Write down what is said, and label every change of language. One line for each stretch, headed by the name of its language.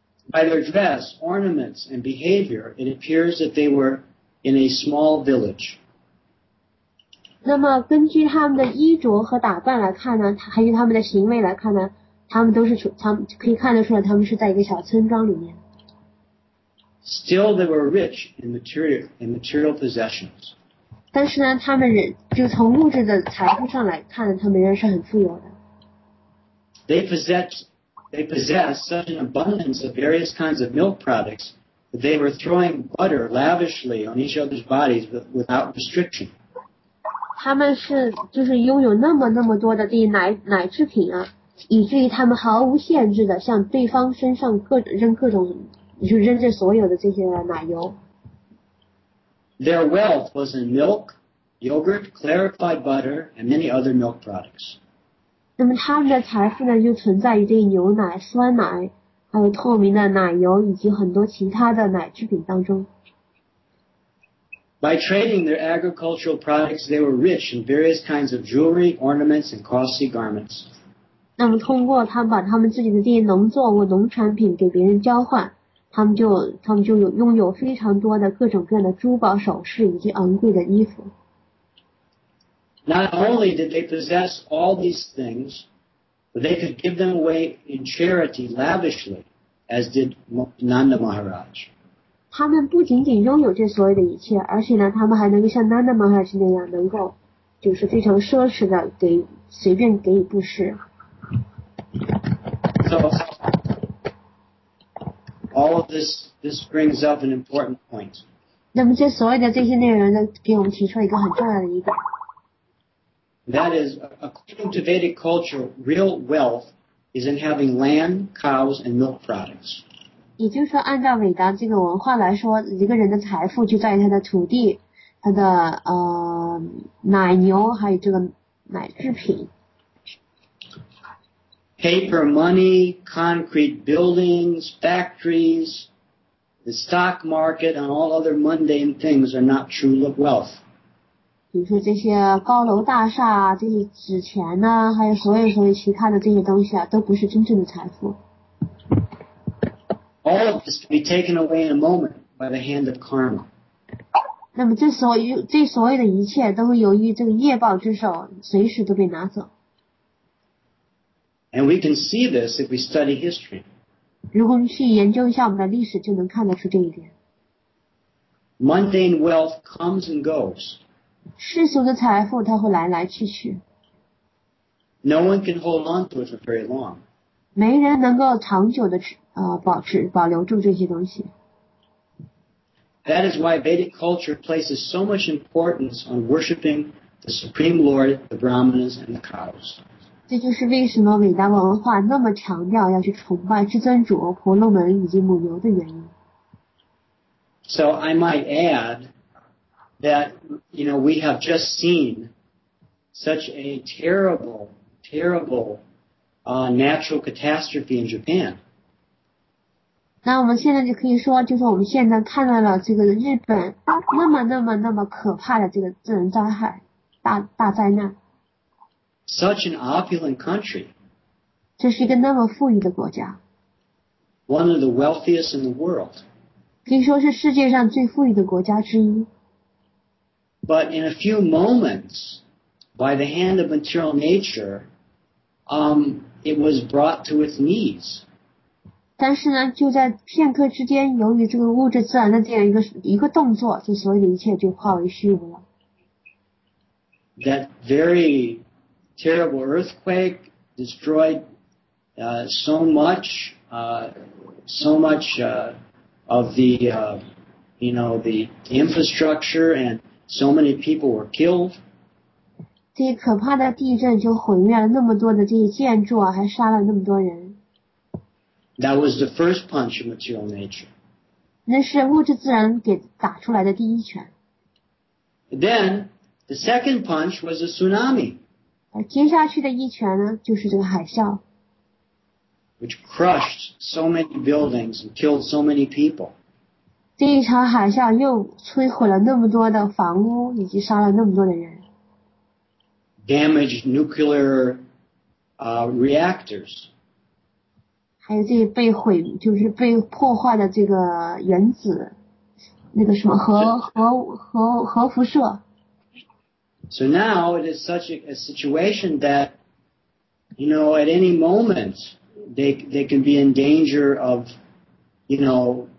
English: By their dress, ornaments, and behavior, it appears that they were in a small village.
Chinese: 那么根据他们的衣着和打扮来看呢，还有他们的行为来看呢，他们可以看得出来，他们是在一个小村庄里面。
English: Still, they were rich in material possessions.
Chinese: 但是呢，他们人就从物质的财富上来看呢，他们仍然是很富有的。
English: They possessed such an abundance of various kinds of milk products that they were throwing butter lavishly on each other's bodies without restriction.
Chinese: 他们是就是拥有那么那么多的这些奶制品啊，以至于他们毫无限制的向对方身上扔着所有的这些奶油。
English: Their wealth was in milk, yogurt, clarified butter, and many other milk products.
Chinese: 那么他们的财富呢，就存在于这牛奶、酸奶，还有透明的奶油，以及很多其他的奶制品当中。
English: By trading their agricultural products, they were rich in various kinds of jewelry, ornaments, and costly garments.
Chinese: 那么通过他们把他们自己的这些农作物、农产品给别人交换，他们就有拥有非常多的各种各样的珠宝首饰以及昂贵的衣服。
English: Not only did they possess all these things, but they could give them away in charity lavishly, as did Nanda Maharaj.
Chinese: 他们不仅仅拥有这所有的一切，而且呢，他们还能够像 Nanda Maharaj 那样，能够就是非常奢侈的给随便给予布施。
English: So, all of this brings up an important point.
Chinese: 那么这所有的这些内容呢，给我们提出一个很重要的一点。
English: That is, according to Vedic culture, real wealth is in having land, cows, and milk products.
Chinese: 也就是说，按照韦达这个文化来说，一个人的财富就在于他的土地、他的奶牛，还有这个奶制品。
English: Paper money, concrete buildings, factories, the stock market, and all other mundane things are not true wealth.
Chinese: 比如说这些高楼大厦啊，这些纸钱呐、啊，还有所有其他的这些东西啊，都不是真正的财富。
English: All of this can be taken away in a moment by the hand of karma.
Chinese: 那么这所有的一切都会由于这个业报之手，随时都被拿走。
English: And we can see this if we study history.
Chinese: 如果我们去研究一下我们的历史，就能看得出这一点。
English: Mundane wealth comes and goes.
Chinese: 世俗的财富它会来来去去。
English: No one can hold on to it for very long.
Chinese: 没人能够长久的保留住这些东西。
English: That is why Vedic culture places so much importance on worshipping the Supreme Lord, the Brahmanas, and the cows.
Chinese: 这就是为什么韦达文化那么强调要去崇拜至尊主、婆罗门以及母牛的原因。
English: So I might add,that, you know, we have just seen such a terrible, terrible, natural catastrophe in Japan.
Chinese: 那我们现在就可以说，就是我们现在看到了这个日本那么那么那么可怕的这个自然灾害，大灾难。
English: Such an opulent country.
Chinese: 这是一个那么富裕的国家。
English: One of the wealthiest in the world.
Chinese: 可以说是世界上最富裕的国家之一。
English: But in a few moments, by the hand of material nature, it was brought to its knees.
Chinese: 但是呢，就在片刻之间，由于这个物质自然的这样一个动作，就所有的一切就化为虚无了。
English: That very terrible earthquake destroyed so much of the infrastructure and. So many people were killed.
Chinese: 这些可怕的地震就毁灭了那么多的这些建筑啊，还杀了那么多人。
English: That was the first punch of material nature.
Chinese: 那是物质自然给打出来的第一拳。
English: Then, the second punch was a tsunami.
Chinese: 而接下去的一拳呢，就是这个海啸。
English: Which crushed so many buildings and killed so many people.
Chinese: 这一场海啸又摧毁了那么多的房屋，以及杀了那么多的人。
English: Damaged nuclear reactors.
Chinese: 还有这些被毁，就是被破坏的这个原子，那个什么核辐射。
English: So now it is such a situation that, you know, at any moment they can be in danger of, you know.